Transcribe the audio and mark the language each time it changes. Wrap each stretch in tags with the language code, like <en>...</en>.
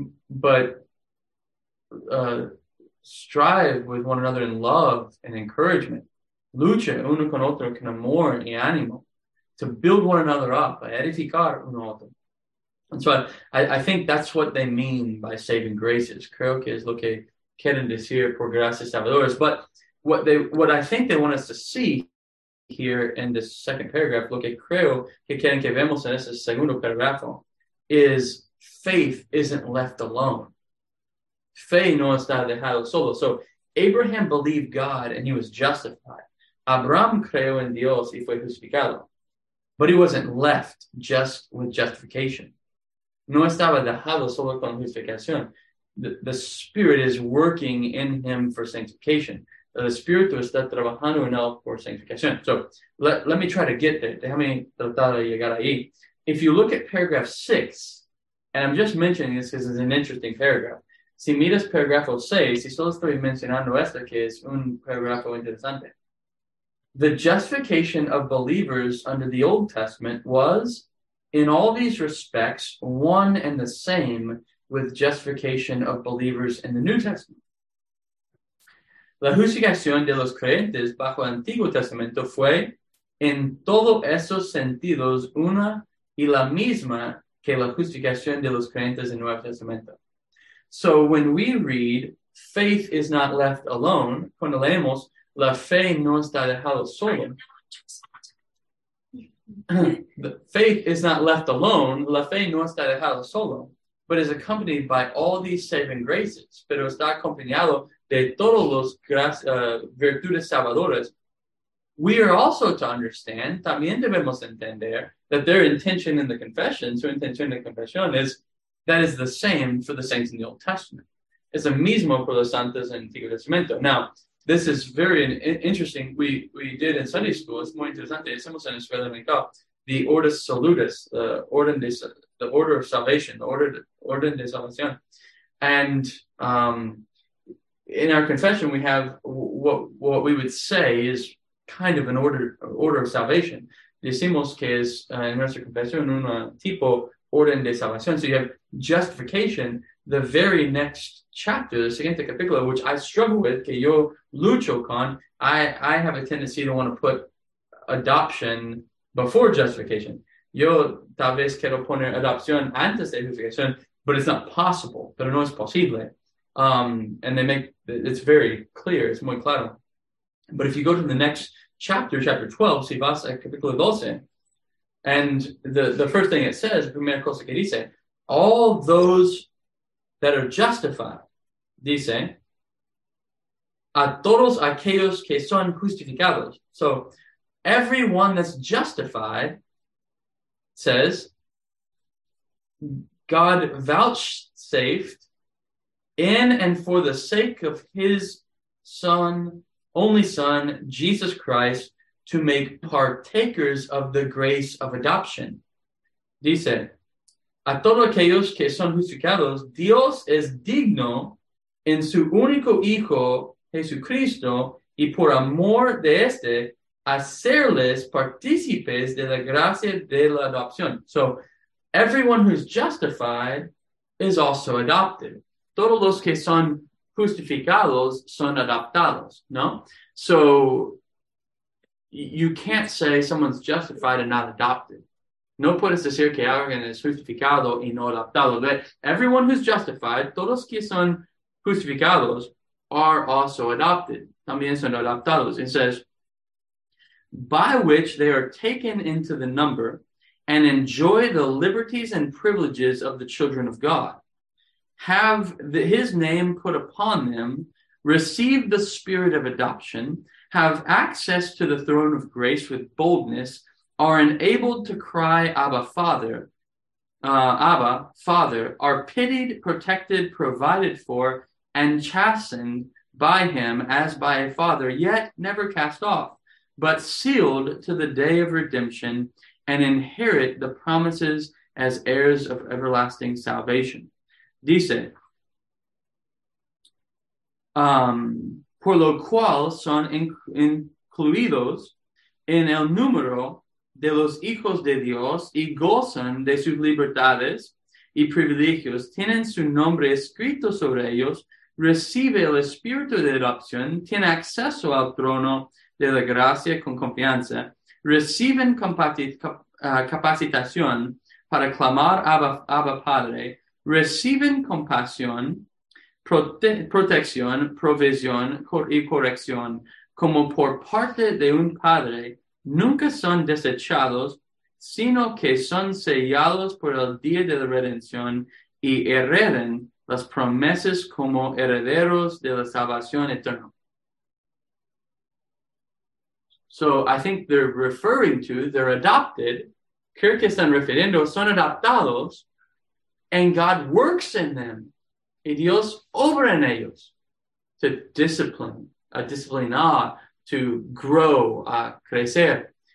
<en>But strive with one another in love and encouragement.</en> <es>Lucha uno con otro con amor y ánimo.</es> <en>To build one another up.</en> <es>Edificar uno otro.</es> <en>And so I think that's what they mean by saving graces.</en> <es>Creo que es lo que quieren decir por gracias salvadoras.</es> <en>But what I think they want us to see here in this second paragraph,</en> <es>lo que creo que quieren que vemos en este segundo paragrafo,</es> <en>is faith isn't left alone.</en> <es>Fe no está dejado solo.</es> <en>So Abraham believed God and he was justified.</en> <es>Abraham creyó en Dios y fue justificado.</es> <en>But he wasn't left just with justification.</en> <es>No estaba dejado solo con justificación.</es> <en>The Spirit is working in him for sanctification.</en> <es>El Espíritu está trabajando en él por sanctificación.</es> <en>So let me try to get there.</en> <es>Déjame tratar de llegar ahí.</es> <en>If you look at paragraph 6, and I'm just mentioning this because it's an interesting paragraph.</en> <es>Si miras paragrafo 6, si solo estoy mencionando esto, que es un paragrafo interesante.</es> <en>The justification of believers under the Old Testament was, in all these respects, one and the same with justification of believers in the New Testament.</en> <es>La justificación de los creyentes bajo el Antiguo Testamento fue, en todos esos sentidos, una y la misma que la justificación de los creyentes en el Nuevo Testamento.</es> <en>So when we read, faith is not left alone,</en> <es>cuando leemos, la fe no está dejado solo.</es> <en>Faith is not left alone.</en> <es>La fe no está dejado solo.</es> <en>But is accompanied by all these saving graces.</en> <es>Pero está acompañado de todos los virtudes salvadoras.</es> <en>We are also to understand,</en> <es>también debemos entender,</es> <en>that their intention in the confession,</en> <es>su intención en la confesión,</es> <en>is the same for the saints in the Old Testament.</en> <es>Es el mismo por los santos en el Antiguo Testamento.</es> <en>Now, this is very interesting. We did in Sunday school. It's</en> <es>muy interesante. Hicimos en Escuela Dominical. The Ordus Salutis,</es> <en>the order of salvation,</en> <es>the orden de salvación.</es> <en>And in our confession, we have what we would say is kind of an order of salvation.</en> <es>Decimos que es en nuestra confesión un tipo orden de salvación.</es> <en>So you have justification. The very next chapter, the</en> <es>siguiente capítulo,</es> <en>which I struggle with,</en> <es>que yo lucho con,</es> <en>I have a tendency to want to put adoption before justification.</en> <es>Yo tal vez quiero poner adopción antes de justificación,</es> <en>but it's not possible.</en> <es>Pero no es posible.</es> <en>And they make it's very clear. It's</en> <es>muy claro.</es> <en>But if you go to the next chapter, chapter 12,</en> <es>si vas a capítulo 12,</es> <en>and the first thing it says,</en> <es>primera cosa que dice,</es> <en>all those that are justified,</en> <es>dice, a todos aquellos que son justificados.</es> <en>So everyone that's justified says, God vouchsafed in and for the sake of his son, only son, Jesus Christ, to make partakers of the grace of adoption.</en> <es>Dice, a todos aquellos que son justificados, Dios es digno en su único Hijo, Jesucristo, y por amor de este, hacerles partícipes de la gracia de la adopción.</es> <en>So, everyone who's justified is also adopted.</en> <es>Todos los que son justificados son adoptados, ¿no?</es> <en>So, you can't say someone's justified and not adopted.</en> <es>No puedes decir que alguien es justificado y no adoptado.</es> <en>But everyone who's justified,</en> <es>todos que son justificados,</es> <en>are also adopted.</en> <es>También son adoptados.</es> <en>It says, by which they are taken into the number and enjoy the liberties and privileges of the children of God. Have his name put upon them, receive the spirit of adoption, have access to the throne of grace with boldness, are enabled to cry, Abba, Father, are pitied, protected, provided for, and chastened by him as by a father, yet never cast off, but sealed to the day of redemption, and inherit the promises as heirs of everlasting salvation.</en> <es>Dice, por lo cual son incluidos en el número de los hijos de Dios y gozan de sus libertades y privilegios, tienen su nombre escrito sobre ellos, recibe el espíritu de adopción, tiene acceso al trono de la gracia con confianza, reciben capacitación para clamar Abba Padre, reciben compasión, protección, provisión y corrección, como por parte de un padre. Nunca son desechados, sino que son sellados por el día de la redención y hereden las promesas como herederos de la salvación eterna.</es> <en>So I think they're referring to, they're adopted,</en> <es>creo que están refiriendo, son adoptados,</es> <en>and God works in them.</en> <es>Y Dios obra en ellos</es> <en>to discipline,</en> <es>a disciplinar,</es> <en>to grow,</en> <es>a crecer.</es>